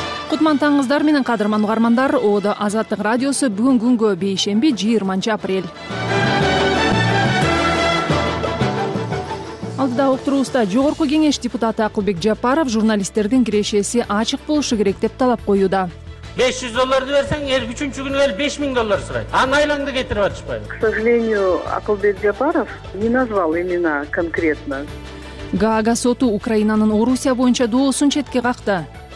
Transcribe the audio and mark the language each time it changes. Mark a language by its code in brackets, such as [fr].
[ky] Кутман таңыздар менен кадырман угармандар, Оодо Азаттык радиосу бүгүн күнгө бейшемби 20-апрель. Алдыда уктуруубузда жогорку кеңеш депутаты Акылбек Жапаров журналисттердин кирешеси ачык болушу керек деп талап коюуда. $500 берсең, эл үчүнчү күнү эл $5000 сурайт. Аны айланды кетирип атышпайбы? [ru] К сожалению, Акылбек Жапаров не назвал имена конкретно. [ky] Гаага соту Украинанын Орусия боюнча доосун четке какты.